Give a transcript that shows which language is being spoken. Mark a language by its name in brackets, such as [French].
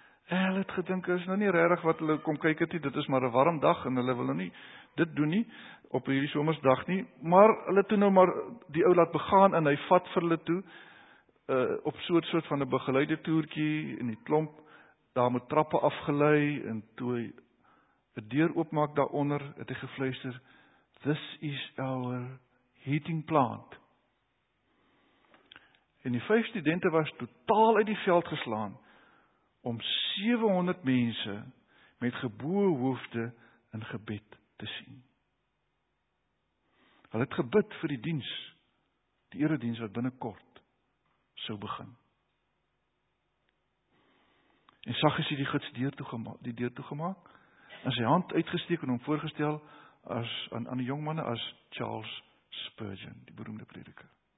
[Afrikaans] En hulle het gedink, is nou nie regtig wat hulle kom kyk het nie, dit is maar 'n warm dag en hulle wil nou nie dit doen nie, op hierdie somersdag nie, maar hulle toe nou maar die ou laat begaan en hy vat vir hulle toe, op soort van 'n begeleide toertjie en die klomp, daar moet trappe afgelei en toe hy die deur oopmaak daaronder, het hy gefluister, [English] this is our heating plant. [Afrikaans] En die 5 studente was totaal uit die veld geslaan, om 700 mense met geboe hoofde in gebed te sien. Hulle het gebid vir die diens, die erediens wat binnenkort sou begin. En sag is hy die gids die deur toegemaak, en sy hand uitgesteek en hom voorgestel as aan die jongmanne as Charles Spurgeon, die beroemde prediker.